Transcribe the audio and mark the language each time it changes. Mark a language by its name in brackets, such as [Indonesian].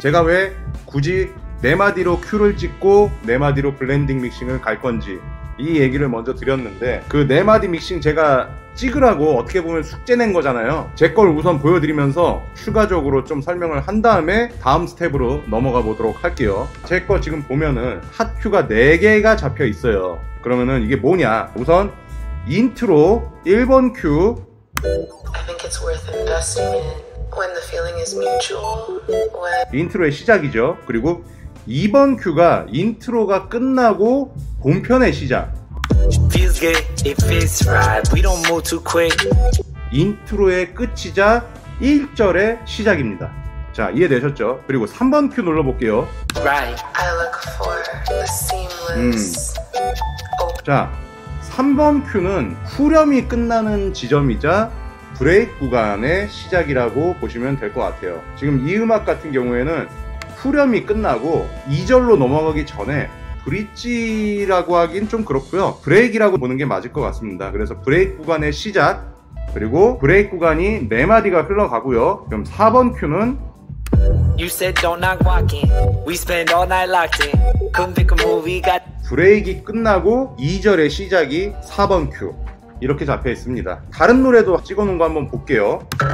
[Korean] 제가 왜 굳이 네 마디로 큐를 찍고 네 마디로 블렌딩 믹싱을 갈 건지 이 얘기를 먼저 드렸는데, 그 네 마디 믹싱 제가 찍으라고 어떻게 보면 숙제 낸 거잖아요. 제 걸 우선 보여드리면서 추가적으로 좀 설명을 한 다음에 다음 스텝으로 넘어가 보도록 할게요. 제 거 지금 보면은 핫큐가 4개가 잡혀 있어요. 그러면은 이게 뭐냐, 우선 인트로 1번 큐. [English] I think it's worth investing in when the feeling is mutual. [Korean] 인트로의 시작이죠. 그리고 2번 큐가 인트로가 끝나고 본편의 시작. [English] It feels right. We don't move too quick. [Korean] 인트로의 끝이자 1절의 시작입니다. 자, 이해되셨죠? 그리고 3번 큐 눌러볼게요. [English] Right. I look for the seamless. Oh. [Korean] 자, 3번 큐는 후렴이 끝나는 지점이자 브레이크 구간의 시작이라고 보시면 될 것 같아요. 지금 이 음악 같은 경우에는 후렴이 끝나고 2절로 넘어가기 전에 브릿지라고 하긴 좀 그렇고요, 브레이크라고 보는 게 맞을 것 같습니다. 그래서 브레이크 구간의 시작, 그리고 브레이크 구간이 네 마디가 흘러가고요. 그럼 4번 큐는 [English] You said don't knock walking. We spend all night locked in. Couldn't pick a movie. [Korean] Got 브레이크 끝나고 2절의 시작이 4번 큐 이렇게 잡혀 있습니다. 다른 노래도 찍어놓은 거 한번 볼게요.